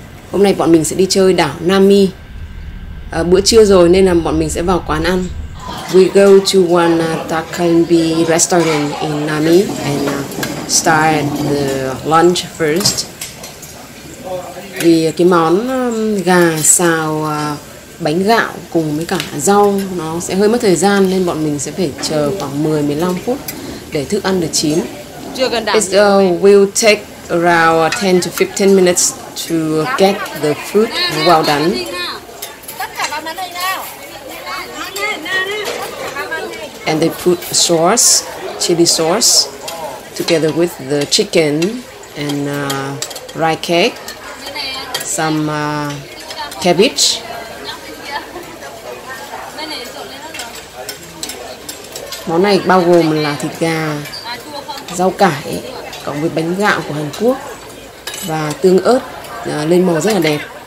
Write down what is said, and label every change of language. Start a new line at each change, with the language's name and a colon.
Vietnamese: Hôm nay bọn mình sẽ đi chơi đảo Nami. Bữa trưa rồi nên là bọn mình sẽ vào quán ăn.
English: We go to one Takalbi restaurant in Nami and start the lunch first.
Vietnamese: Vì cái món gà xào bánh gạo cùng với cả rau nó sẽ hơi mất thời gian nên bọn mình sẽ phải chờ khoảng 10-15 phút để thức ăn được chín.
English: It will take around 10 to 15 minutes to get the food well done. And they put sauce, chili sauce, together with the chicken and rice cake, some cabbage.
Vietnamese: Món này bao gồm là thịt gà, rau cải, cộng với bánh gạo của Hàn Quốc và tương ớt lên màu rất là đẹp.